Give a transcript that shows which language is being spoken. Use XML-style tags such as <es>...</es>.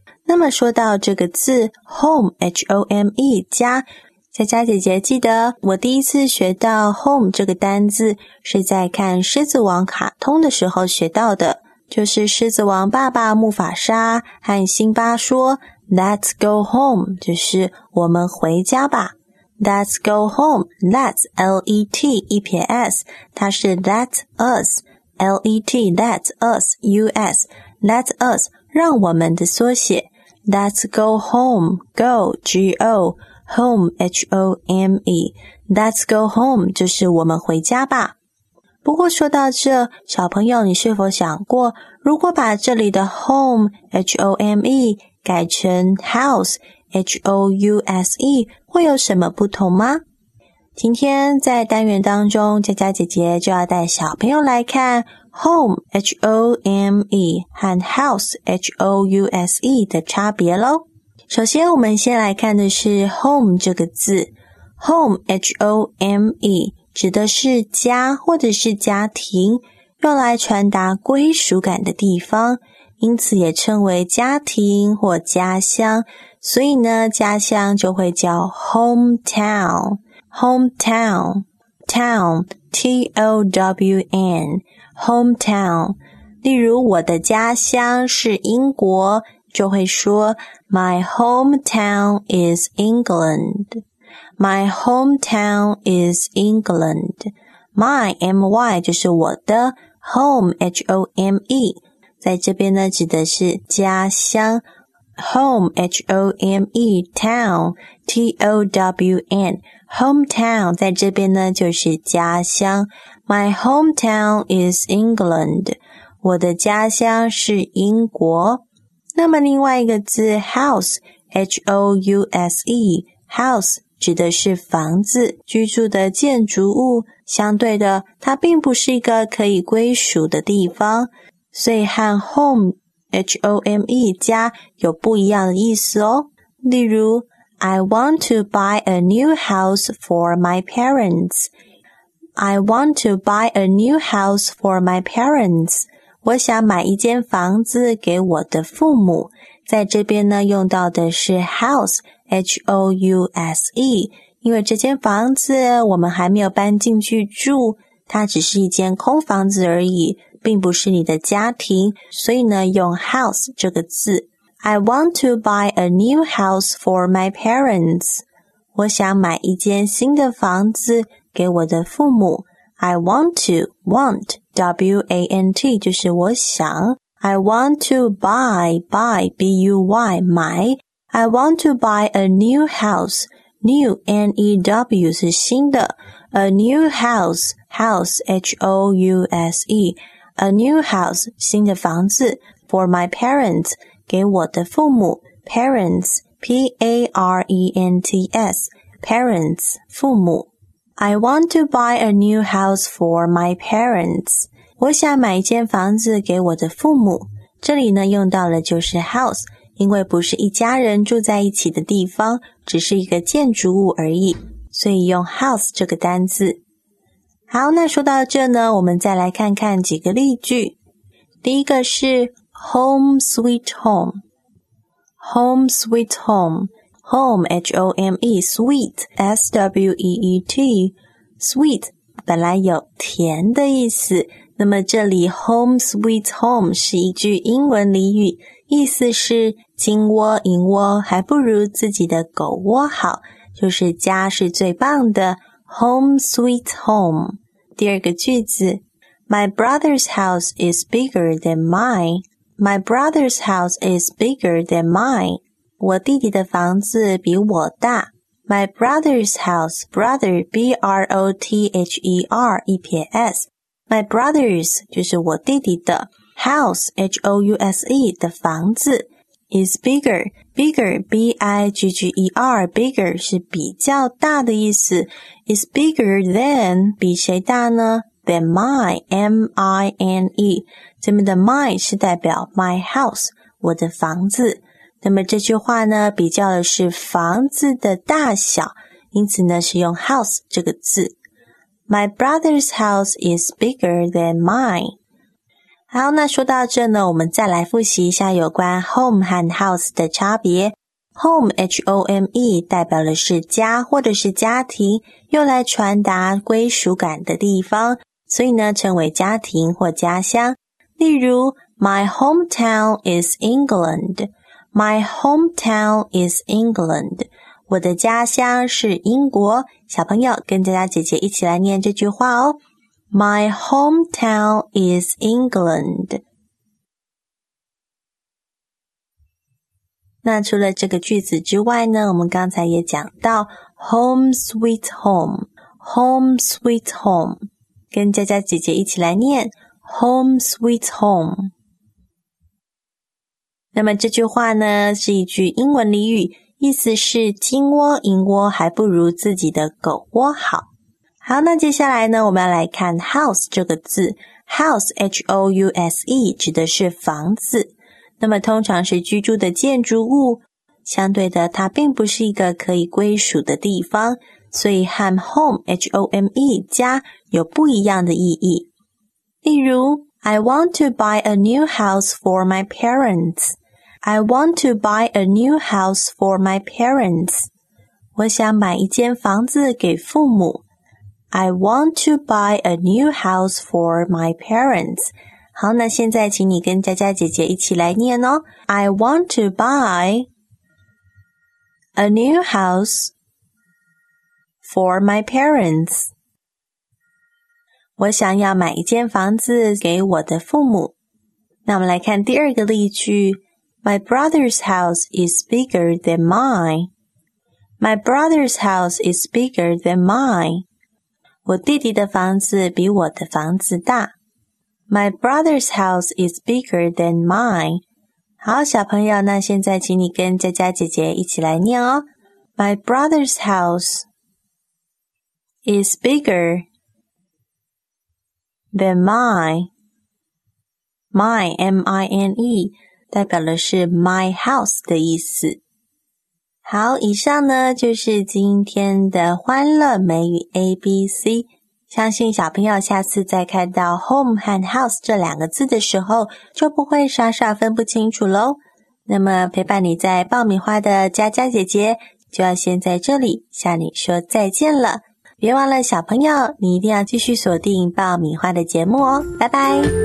<zh>那么说到这个字 home,H-O-M-E, 家，佳佳姐姐记得我第一次学到 home 这个单字是在看狮子王卡通的时候学到的，就是狮子王爸爸木法沙和辛巴说</zh> <en>Let's go home,</en> <zh>就是我们回家吧。</zh> <en>Let's go home, let's, L-E-T, 一撇 S, 它是 let us, L-E-T, let us, U-S, let us,</en> <zh>让我们的缩写。</zh> <en>Let's go home, go, G-O, home, H-O-M-E, let's go home,</en> <zh>就是我们回家吧。不过说到这，小朋友你是否想过，如果把这里的 home, H-O-M-E, 改成 house,H-O-U-S-E, 会有什么不同吗？今天在单元当中，佳佳姐姐就要带小朋友来看 home, H-O-M-E, 和 house, H-O-U-S-E 的差别咯。首先我们先来看的是 home 这个字。 home, H-O-M-E, 指的是家或者是家庭，用来传达归属感的地方，因此也称为家庭或家乡，所以呢，家乡就会叫 hometown, hometown, town, T-O-W-N, hometown. 例如我的家乡是英国，就会说</zh> <en>My hometown is England,</en> <zh>my hometown is England.</zh> <en>My,</en> <zh>M-Y, 就是我的 home, H-O-M-E, 在这边呢指的是家乡。</zh> <en>Home, H-O-M-E, town, T-O-W-N, hometown,</en> <zh>在这边呢就是家乡。</zh> <en>My hometown is England,</en> <zh>我的家乡是英国。那么另外一个字 house, H-O-U-S-E, house, 指的是房子，居住的建筑物，相对的它并不是一个可以归属的地方，所以和 home,H-O-M-E, 家有不一样的意思哦。</zh> <en>例如 I want to buy a new house for my parents. I want to buy a new house for my parents.</en> <zh>我想买一间房子给我的父母。在这边呢用到的是 house, H-O-U-S-E, 因为这间房子我们还没有搬进去住，它只是一间空房子而已，并不是你的家庭，所以呢用 house 这个字。</zh> <en>I want to buy a new house for my parents.</en> <zh>我想买一间新的房子给我的父母。</zh> <en>I want to, want, W-A-N-T,</en> <zh>就是我想。</zh> <en>I want to buy, buy, B-U-Y,</en> <zh>买。</zh> <en>I want to buy a new house, new, N-E-W,</en> <zh>是新的。</zh> <en>A new house, house, H-O-U-S-E,A new house,</en> <zh>新的房子,</zh> <en>for my parents,</en> <zh>给我的父母,</zh> <en>parents, P-A-R-E-N-T-S, parents,</en> <zh>父母。</zh> <en>I want to buy a new house for my parents.</en> <zh>我想买一间房子给我的父母。这里呢用到了就是 house, 因为不是一家人住在一起的地方，只是一个建筑物而已，所以用 house 这个单字。好，那说到这呢，我们再来看看几个例句。第一个是</zh> <en>home sweet home,</en> <zh>home sweet home, home, H-O-M-E, sweet, S-W-E-E-T, sweet, 本来有甜的意思，那么这里 home sweet home 是一句英文俚语，意思是金窝银窝还不如自己的狗窝好，就是家是最棒的， home sweet home。</zh> <en>第二个句子 My brother's house is bigger than mine. My brother's house is bigger than mine.</en> <zh>我弟弟的房子比我大。</zh> <en>My brother's house,</en> <zh>brother, B-R-O-T-H-E-R, 一撇 S.</zh> <en>My brother's,</en> <zh>就是我弟弟的</zh> <en>house, H-O-U-S-E,</en> <zh>的房子</zh> <en>is bigger. Bigger, B-I-G-G-E-R, bigger,</en> <zh>是比较大的意思。</zh> <en>Is bigger than,</en> <zh>比谁大呢?</zh> <en>Than my, M-I-N-E.</en> <zh>这边的 my 是代表</zh> <en>my house,</en> <zh>我的房子。那么这句话呢，比较的是房子的大小，因此呢是用 house 这个字。</zh> <en>My brother's house is bigger than mine.</en> <zh>好，那说到这呢，我们再来复习一下有关 home 和 house 的差别。 Home, H-O-M-E, 代表的是家或者是家庭，用来传达归属感的地方，所以呢称为家庭或家乡。例如</zh> <en>My hometown is England. My hometown is England.</en> <zh>我的家乡是英国。小朋友跟佳佳姐姐一起来念这句话哦。</zh> <en>My hometown is England.</en> <zh>那除了这个句子之外呢，我们刚才也讲到</zh> <en>home sweet home,</en> <zh>home sweet home, 跟佳佳姐姐一起来念 home sweet home。那么这句话呢是一句英文俚语，意思是金窝银窝还不如自己的狗窝好。好，那接下来呢我们要来看 house 这个字。house, H-O-U-S-E, 指的是房子，那么通常是居住的建筑物，相对的它并不是一个可以归属的地方，所以和 home, H-O-M-E, 家有不一样的意义。</zh> <en>例如 I want to buy a new house for my parents. I want to buy a new house for my parents.</en> <zh>我想买一间房子给父母。</zh> <en>I want to buy a new house for my parents.</en> <zh>好，那现在请你跟佳佳姐姐一起来念哦。</zh> <en>I want to buy a new house for my parents.</en> <zh>我想要买一间房子给我的父母。那我们来看第二个例句。</zh> <en>My brother's house is bigger than mine. My brother's house is bigger than mine.</en> <zh>我弟弟的房子比我的房子大。</zh> <en>My brother's house is bigger than mine.</en> <zh>好，小朋友，那现在请你跟佳佳姐姐一起来念哦。</zh> <en>My brother's house is bigger than mine.</en> <zh>Mine, M-I-N-E, 代表的是</zh> <en>my house</en> <zh>的意思。好，以上呢，就是今天的欢乐美语 ABC。相信小朋友下次再看到 home 和 house 这两个字的时候，就不会傻傻分不清楚咯。那么陪伴你在爆米花的佳佳姐姐就要先在这里向你说再见了。别忘了小朋友，你一定要继续锁定爆米花的节目哦，拜拜。</zh>